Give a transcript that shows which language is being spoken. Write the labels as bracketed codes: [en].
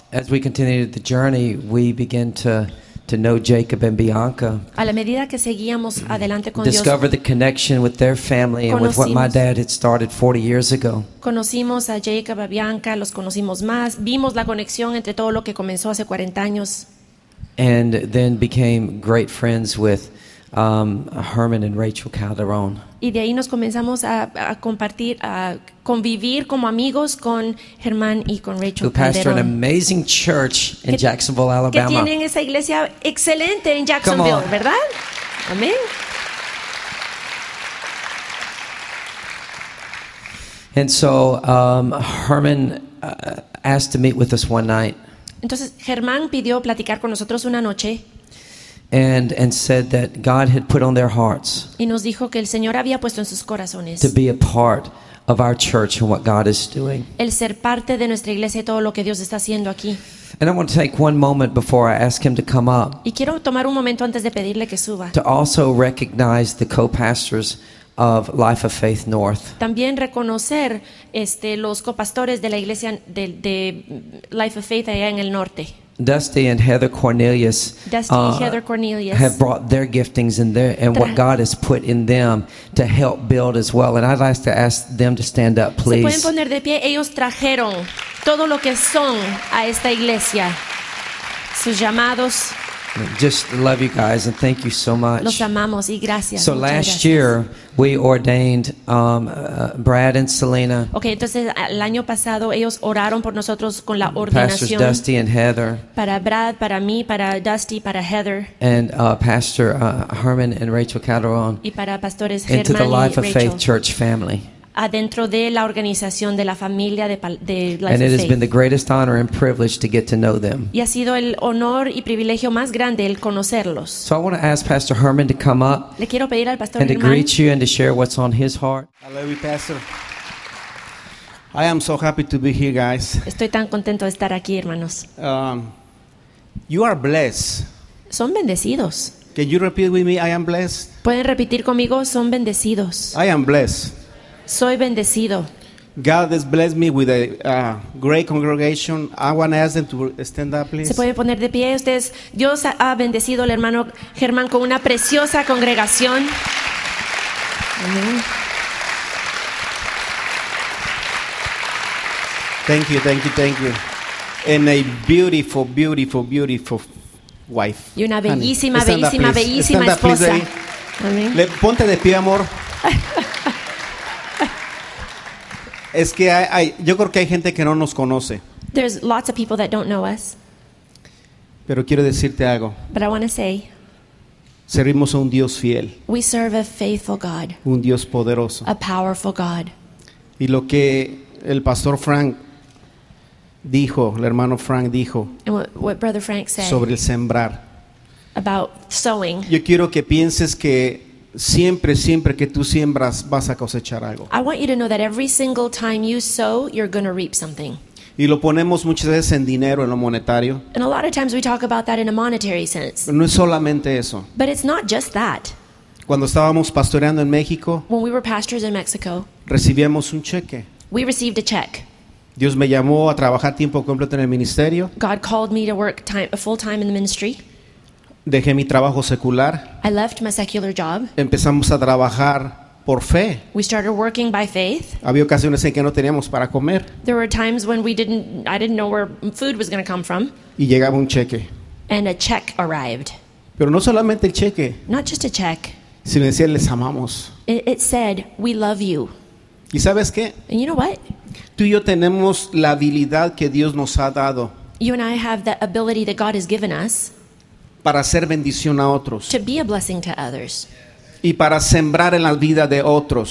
[en] As we continued the journey, we began to know Jacob and Bianca. [es] A la medida que seguíamos adelante con [en] discover [es] Dios, [en] the connection with their family and with what my dad had started 40 years ago. [es] Conocimos a Jacob, a Bianca, los conocimos más, vimos la conexión entre todo lo que comenzó hace 40 años. [en] And then became great friends with Herman and Rachel Calderon. [es] Y de ahí nos comenzamos a compartir, a convivir como amigos con Germán y con Rachel [en] who Calderon. Who pastor an amazing church in Jacksonville, Alabama. [es] Que tienen esa iglesia excelente en Jacksonville, ¿verdad? Amén. [en] And so Herman asked to meet with us one night. [es] Entonces Germán pidió platicar con nosotros una noche. [en] And said that God had put on their hearts. [es] Y nos dijo que el Señor había puesto en sus corazones. [en] To be a part of our church and what God is doing. [es] El ser parte de nuestra iglesia y todo lo que Dios está haciendo aquí. [en] And I want to take one moment before I ask him to come up. [es] Y quiero tomar un momento antes de pedirle que suba. [en] To also recognize the co-pastors of Life of Faith North. [es] También reconocer los copastores de la iglesia de Life of Faith allá en el norte. [en] Dusty and Heather Cornelius, have brought their giftings and their and what God has put in them to help build as well. And I'd like to ask them to stand up, please. [es] Se pueden poner de pie. Ellos trajeron todo lo que son a esta iglesia, sus llamados. [en] Just love you guys and thank you so much. [es] Los amamos y gracias. [en] So last year we ordained Brad and Selena. [es] Okay, entonces el año pasado ellos oraron por nosotros con la ordenación. [en] Pastors Dusty and Heather. [es] Para Brad, para mí, para Dusty, para Heather. [en] And Pastor Herman and Rachel Calderon. [es] Y para pastores Germán y [en] Rachel. Into the Life of Faith Church family. [es] Adentro de la organización de la familia de Life of Faith. [en] It has been the greatest honor and privilege to get to know them. [es] Y ha sido el honor y privilegio más grande el conocerlos. [en] So I want to ask Pastor Herman to come up. [es] Le quiero pedir al pastor [en] Herman. And to greet you and to share what's on his heart. Hello, Pastor. I am so happy to be here, guys. [es] Estoy tan contento de estar aquí, hermanos. [en] You are blessed. [es] Son bendecidos. [en] Can you repeat with me? I am blessed. [es] Pueden repetir conmigo. Son bendecidos. [en] I am blessed. [es] Soy bendecido. [en] God has blessed me with a great congregation. I want to ask them to stand up, please. [es] Se puede poner de pie ustedes. Dios ha bendecido al hermano Germán con una preciosa congregación. [en] Amen. Thank you, thank you, thank you. And a beautiful, beautiful, beautiful wife. [es] Y una bellísima, honey. Bellísima, [en] stand [es] bellísima, [en] up, [es] bellísima [en] stand [es] esposa. [en] Up, please, Amen. [es] Ponte de pie, amor. Es que hay, yo creo que hay gente que no nos conoce. [en] There's lots of people that don't know us. [es] Pero quiero decirte algo. [en] But I want to say. [es] Servimos a un Dios fiel. [en] We serve a faithful God. [es] Un Dios poderoso. [en] A powerful God. [es] Y lo que el pastor Frank dijo, el hermano Frank dijo. [en] And what Brother Frank said. [es] Sobre el sembrar. [en] About sowing. [es] Yo quiero que pienses que siempre, siempre que tú siembras, vas a cosechar algo. [en] I want you to know that every single time you sow, you're going to reap something. [es] Y lo ponemos muchas veces en dinero, en lo monetario. [en] And a lot of times we talk about that in a monetary sense. [es] No es solamente eso. [en] But it's not just that. [es] Cuando estábamos pastoreando en México, [en] when we were pastors in Mexico, [es] recibíamos un cheque. [en] We received a check. [es] Dios me llamó a trabajar tiempo completo en el ministerio. [en] God called me to work time, full time in the ministry. [es] Dejé mi trabajo secular. [en] I left my secular job. [es] Empezamos a trabajar por fe. [en] We started working by faith. [es] Había ocasiones en que no teníamos para comer. [en] There were times when I didn't know where food was going to come from. [es] Y llegaba un cheque. [en] And a check arrived. [es] Pero no solamente el cheque. [en] Not just a check. [es] Sino decía, les amamos. [en] It said, we love you. [es] ¿Y sabes qué? [en] And you know what? [es] Tú y yo tenemos la habilidad que Dios nos ha dado. [en] You and I have the ability that God has given us. [es] Para hacer bendición a otros. [en] To be a blessing to others. [es] Y para sembrar en la vida de otros.